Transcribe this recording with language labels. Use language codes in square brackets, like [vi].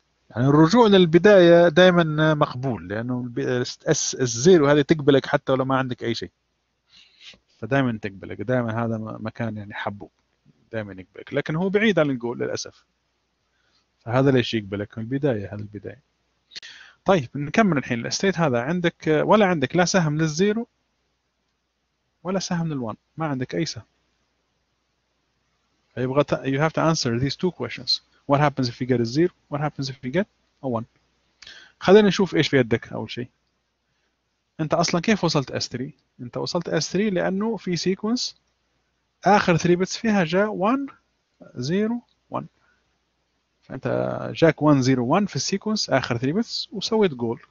[ar] يعني الرجوع للبداية دائما مقبول لأنه أس الزيرو هذه تقبلك حتى ولو ما عندك أي شيء، فدائما تقبلك، دائما هذا مكان يعني حبوب دائما يقبلك، لكن هو بعيد عن الجول للأسف، فهذا ليش يقبلك من البداية؟ هذا البداية. طيب نكمل الحين الاستيت هذا، عندك ولا عندك لا سهم للزيرو ولا سهم للوان، ما عندك أي سهم. [en] فيبغى you have to answer these two questions. What happens if you get a zero? What happens if you get a one? [ar] خلينا نشوف إيش في يدك أول شيء. أنت أصلاً كيف وصلت S3؟ أنت وصلت S3 لأنه في sequence آخر 3 bits فيها جاء 1-0-1. فأنت جاك 1-0-1 في sequence آخر 3 bits وسويت goal.